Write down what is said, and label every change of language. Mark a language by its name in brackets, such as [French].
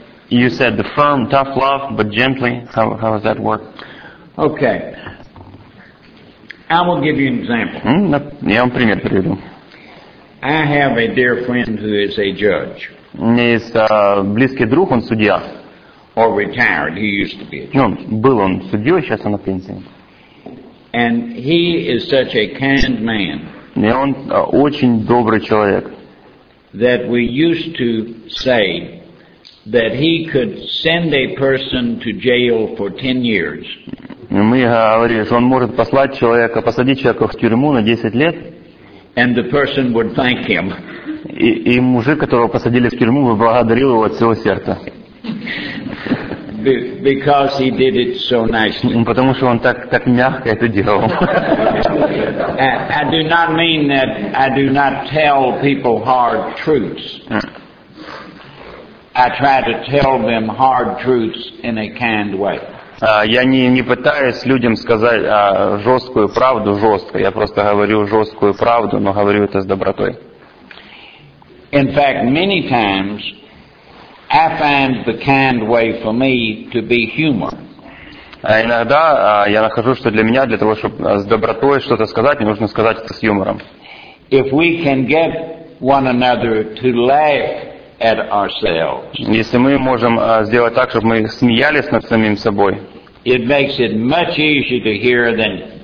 [English] You said the firm, tough love, but gently. How does that work? Okay. I will give you an example. [Russian] Я вам пример приведу. [English] I have a dear friend who is a judge. [Russian] У меня есть близкий друг, он судья. [English] Or retired, he used to be a judge. [Russian] Ну, был он судьей, сейчас он на пенсии. [English] And he is such a kind man. [Russian] И он очень добрый человек. [English] That we used to say that he could send a person to jail for 10 years. [Russian] И мы говорили, что он может послать человека, посадить человека в тюрьму на 10 лет. [English] And the person would thank him. [Russian] И мужик, которого посадили в тюрьму, благодарил его от всего сердца. [English] Because he did it so nicely. [Russian] Потому что он так мягко это делал. [English] I do not mean that I do not tell people hard truths. I try to tell them hard truths in a kind way. [Russian] Я не пытаюсь людям сказать жесткую правду жестко. Я просто говорю жесткую правду, но говорю это с добротой. [English] In fact, many times I find the kind way for me to be humor. [Russian] Иногда я нахожу, что для меня, для того, чтобы с добротой что-то сказать, мне нужно сказать это с юмором. [English] if we can get one another to laugh at ourselves. [Russian] Если мы можем сделать так, чтобы мы смеялись над самим собой. [English] It makes it much easier to hear than.